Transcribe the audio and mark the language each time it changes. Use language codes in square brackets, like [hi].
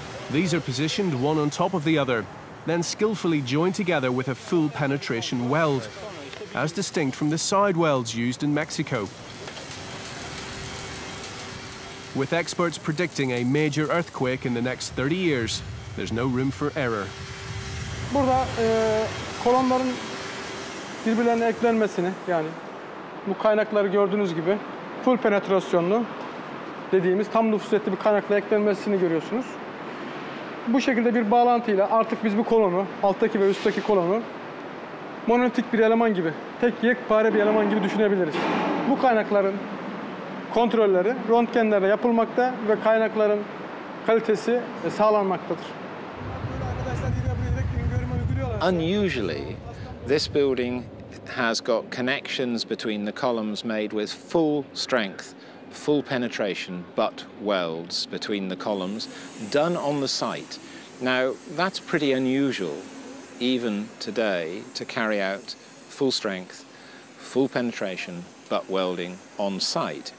[en] These are positioned one on top of the other, then skillfully joined together with a full penetration weld, as distinct from the side welds used in Mexico. With experts predicting a major earthquake in the next 30 years, there's no room for error. [tr] Burada kolonların birbirlerine eklenmesini, yani bu kaynakları gördüğünüz gibi full penetrasyonlu dediğimiz tam nüfuzetli bir kaynakla eklenmesini görüyorsunuz. Bu şekilde bir bağlantıyla artık biz bu kolonu, alttaki ve üstteki kolonu monolitik bir eleman gibi, tek yekpare bir eleman gibi düşünebiliriz. Bu kaynakların kontrolleri röntgenlerle yapılmakta ve kaynakların kalitesi sağlanmaktadır. [en] Unusually, this building has got connections between the columns made with full strength, full penetration butt welds between the columns done on the site. Now, that's pretty unusual even today to carry out full strength, full penetration butt welding on site.